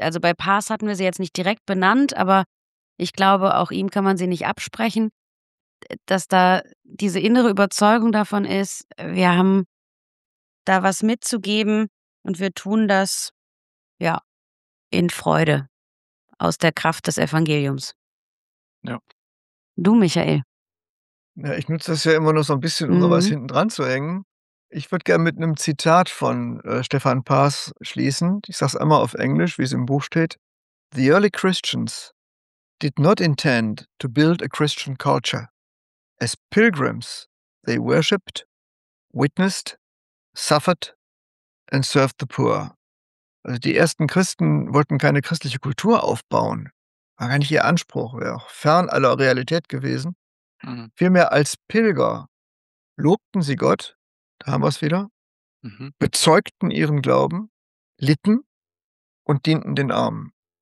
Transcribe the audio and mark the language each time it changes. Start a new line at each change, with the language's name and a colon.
German: Also bei Paas hatten wir sie jetzt nicht direkt benannt, aber ich glaube, auch ihm kann man sie nicht absprechen, dass da diese innere Überzeugung davon ist, wir haben da was mitzugeben und wir tun das, ja, in Freude, aus der Kraft des Evangeliums. Ja. Du, Michael. Ja, ich nutze das ja immer nur so ein bisschen, um sowas hinten dran zu hängen. Ich würde gerne mit einem Zitat von Stefan Paas schließen. Ich sage es einmal auf Englisch, wie es im Buch steht.
English: The early Christians did not intend to build a Christian culture. As pilgrims, they worshipped, witnessed, suffered and served the poor.
German: Also die ersten Christen wollten keine christliche Kultur aufbauen. War gar nicht ihr Anspruch, wäre auch fern aller Realität gewesen. Mhm. Vielmehr als Pilger lobten sie Gott, da haben wir es wieder, bezeugten ihren Glauben, litten und dienten den Armen.